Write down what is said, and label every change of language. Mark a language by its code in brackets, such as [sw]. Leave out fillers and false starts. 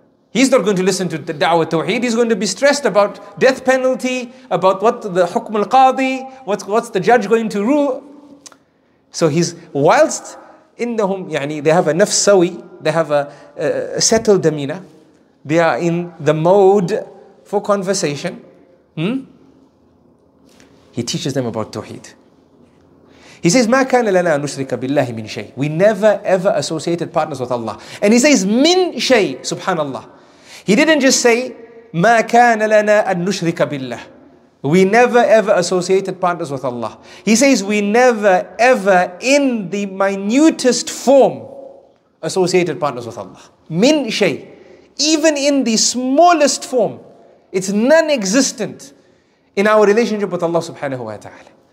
[en] He's not going to listen to the da'wah tawheed. He's going to be stressed about death penalty, about what the hukm al-qadi, what's the judge going to rule. So he's, whilst in the home, yani they have a nafsawi, they have a settled demeanor, they are in the mode for conversation. He teaches them about tawheed. He says, [ar] مَا كَانَ لَنَا نُشْرِكَ بِاللَّهِ مِنْ شَيْءٍ. [en] We never ever associated partners with Allah. And he says, [ar] مِنْ شَيْءٍ, [en] subhanAllah. He didn't just say, [ar] مَا كَانَ لَنَا أَن نُشْرِكَ بِاللَّهِ. [en] We never ever associated partners with Allah. He says, we never ever in the minutest form associated partners with Allah. [ar] مِنْ شَيْءٍ. [en] Even in the smallest form, it's non-existent in our relationship with Allah subhanahu wa ta'ala.